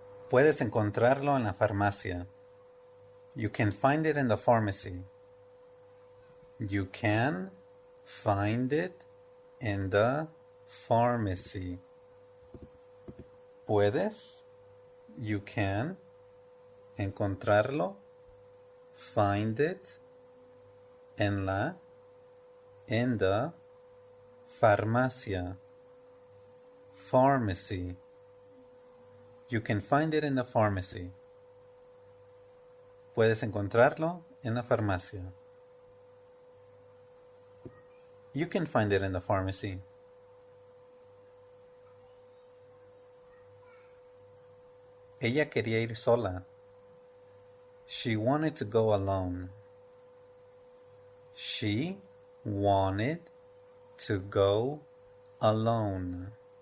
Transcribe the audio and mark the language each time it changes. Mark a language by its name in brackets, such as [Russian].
[Spanish] Puedes encontrarlo en la farmacia. [English] You can find it in the pharmacy. You can find it in the pharmacy. [Spanish] Puedes, [English] you can, [Spanish] encontrarlo, [English] find it, [Spanish] en la, [English] in the, [Spanish] farmacia, [English] pharmacy. You can find it in the pharmacy. [Spanish] Puedes encontrarlo en la farmacia. [English] You can find it in the pharmacy. [Spanish] Ella quería ir sola. [English] She wanted to go alone. She wanted to go alone.